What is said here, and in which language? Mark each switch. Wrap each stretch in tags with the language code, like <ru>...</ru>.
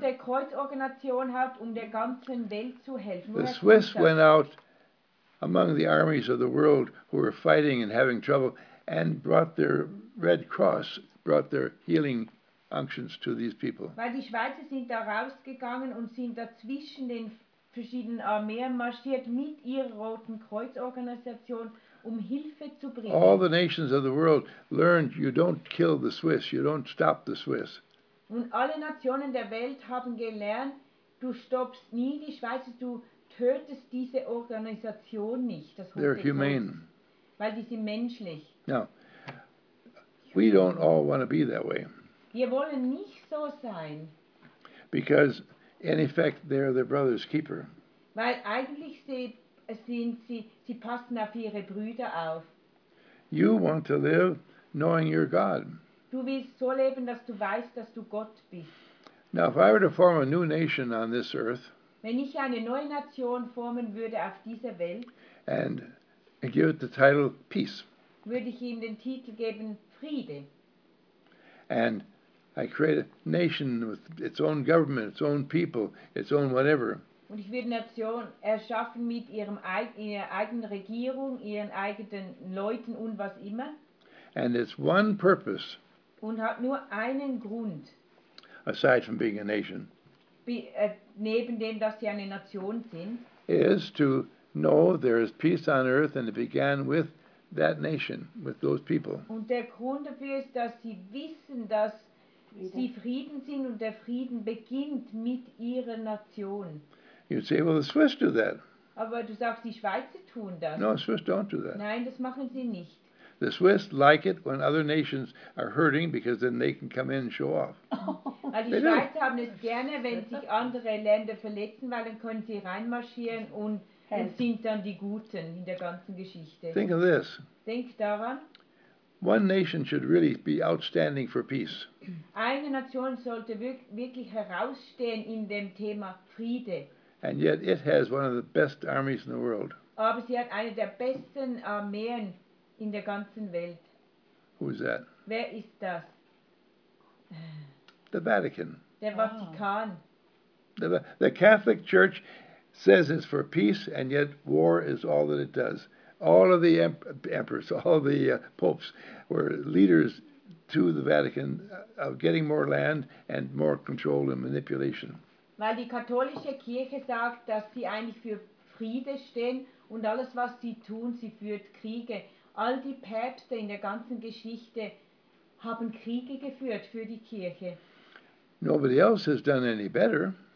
<de>Die Rote Kreuz-Organisation hat, um der ganzen Welt zu helfen.</de> <en>The Swiss went out among the armies of the world who were fighting and having trouble and brought their Red Cross, brought their healing unctions to these people.</en> <de>Weil die Schweizer sind da rausgegangen und sind dazwischen den verschiedenen Armeen marschiert mit ihrer Roten Kreuz-Organisation, um Hilfe zu bringen.</de> <en>All the nations of the world learned, you don't kill the Swiss, you don't stop the Swiss.</en> <de>Und alle Nationen der Welt haben gelernt, du stoppst nie die Schweizer, du tötest diese Organisation nicht. Das</de> <en>They're humane.</en> <de>Kreuz, weil die sind menschlich.</de> <en>Now, we don't all want to be that way.</en> <de>Wir wollen nicht so sein.</de> <en>Because, in effect, they're their brother's keeper.</en> <de>Weil eigentlich sie passen auf ihre Brüder auf.</de> <en>You want to live knowing you're God.</en> <de>Du willst so leben, dass du weißt, dass du Gott bist.</de> <en>Now, if I were to form a new nation on this earth,</en> <de>wenn ich eine neue Nation formen würde auf dieser Welt,</de> <en>and give it the title Peace,</en> <de>würde ich ihm den Titel geben Friede.</de> <en>And I create a nation with its own government, its own people, its own whatever.</en> <de>Und ich würde eine Nation erschaffen mit ihrer eigenen Regierung, ihren eigenen Leuten und was immer.</de> <en>And it's one purpose.</en> <de>Und hat nur einen Grund.</de> <en>Aside from being a nation.</en> <de>Neben dem, dass sie eine Nation sind.</de> <en>Is to know there is peace on earth and it began with that nation, with those people.</en> <de>Und der Grund dafür ist, dass sie wissen, dass sie Frieden sind und der Frieden beginnt mit ihrer Nation.</de> <en>You'd say, well, the Swiss do that.</en> <de>Aber du sagst, die Schweizer tun das.</de> <en>No, the Swiss don't do that.</en> <de>Nein, das machen sie nicht.</de> <en>The Swiss like it when other nations are hurting because then they can come in and show off.</en> <de>Die Schweizer haben es gerne, wenn sich andere Länder verletzen, weil dann können sie reinmarschieren und sind dann die Guten in der ganzen Geschichte.</de> <en>Think of this.</en> <de>Denk daran.</de> <en>One nation should really be outstanding for peace.</en> <de>Eine Nation sollte wirklich herausstehen in dem Thema Friede.</de> <en>And yet it has one of the best armies in the world.</en> <de>Aber sie hat eine der besten Armeen in der ganzen Welt.</de> <en>Who is that?</en> <de>Wer ist das?</de> <en>The Vatican.</en> <de>Der Vatikan.</de> <en>The Catholic Church says it's for peace, and yet war is all that it does. All of the emperors, all the popes were leaders to the Vatican of getting more land and more control and manipulation.</en> <de>Weil die katholische Kirche sagt, dass sie eigentlich für Friede stehen und alles, was sie tun, sie führt Kriege. All die Päpste in der ganzen Geschichte haben Kriege geführt für die Kirche.</de> <en>Nobody else has done any better.</en>